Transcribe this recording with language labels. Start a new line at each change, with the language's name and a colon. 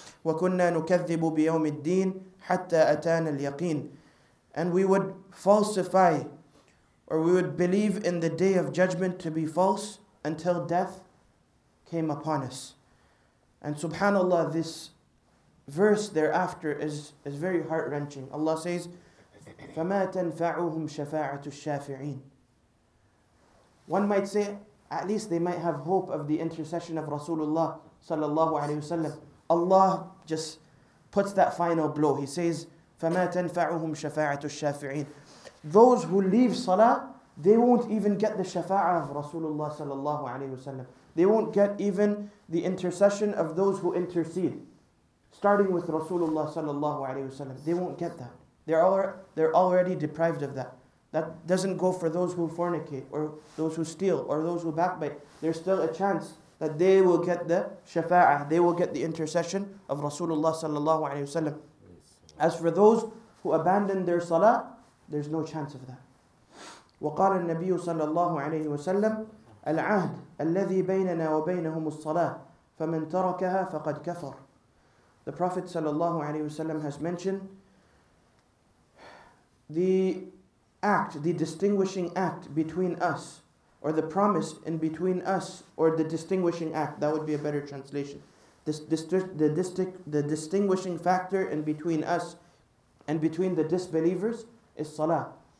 Arabic: وَكُنَّا نُكَذِّبُ بِيَوْمِ الدِّينَ حَتَّى أَتَانَ الْيَقِينَ.
English: And we would falsify, or we would believe in the day of judgment to be false until death came upon us. And subhanAllah, this verse thereafter is very heart-wrenching. Allah says,
Arabic: فَمَا تَنْفَعُهُمْ شَفَاعَةُ الشَّافِعِينَ.
English: One might say, at least they might have hope of the intercession of Rasulullah sallallahu alayhi wa sallam. Allah just puts that final blow. He says,
Arabic: فَمَا تَنْفَعُهُمْ شَفَاعَةُ الشَّافِعِينَ.
English: Those who leave salah, they won't even get the shafa'ah of Rasulullah sallallahu alayhi wa sallam. They won't get even the intercession of those who intercede, starting with Rasulullah sallallahu alayhi wa sallam. They won't get that. They're already deprived of that. That doesn't go for those who fornicate, or those who steal, or those who backbite. There's still a chance that they will get the shafa'ah. They will get the intercession of Rasulullah sallallahu alayhi wa sallam. As for those who abandon their salah, there's no chance of that.
Arabic: وقال النبي صلى الله عليه وسلم العهد الذي بيننا وبينهم الصلاة فمن تركها فقد كفر.
English: The Prophet صلى الله عليه وسلم has mentioned the act, the distinguishing act between us, or the promise in between us, or the distinguishing act. That would be a better translation. The distinguishing factor in between us and between the disbelievers is salah.